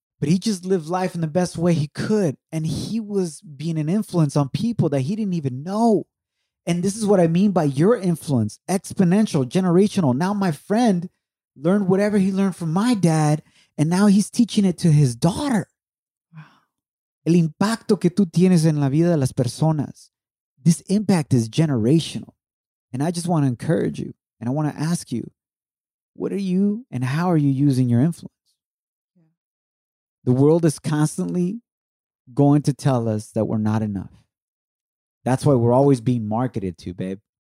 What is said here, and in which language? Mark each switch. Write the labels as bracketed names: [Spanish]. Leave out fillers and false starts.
[English] But he just lived life in the best way he could. And he was being an influence on people that he didn't even know. And this is what I mean by your influence, exponential, generational. Now my friend learned whatever he learned from my dad. And now he's teaching it to his daughter. Wow. [Spanish] El impacto que tú tienes en la vida de las personas. [English] This impact is generational. And I just want to encourage you. And I want to ask you, what are you and how are you using your influence? Yeah. The world is constantly going to tell us that we're not enough. That's why we're always being marketed to, babe.